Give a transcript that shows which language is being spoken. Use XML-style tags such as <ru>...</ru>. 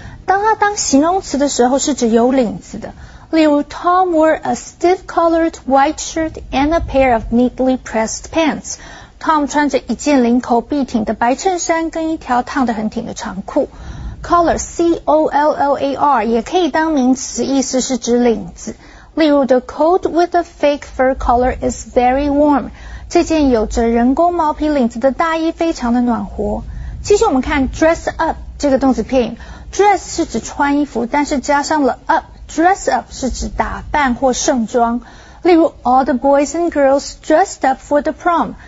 <zh>当它当形容词的时候是指有领子的。例如</zh> <en>Tom wore a stiff colored white shirt and a pair of neatly pressed pants.</en> <zh>Tom 穿着一件领口笔挺的白衬衫跟一条烫得很挺的长裤。 color, C-O-L-L-A-R, 也可以当名词意思是指领子。例如</zh> <en>The coat with a fake fur collar is very warm.</en> <zh>这件有着人工毛皮领子的大衣非常的暖和。继续我们看 dress up 这个动词片语。dress 是指穿衣服，但是加上了 up, dress up 是指打扮或盛装。例如</zh> <en>All the boys and girls dressed up for the prom.</en>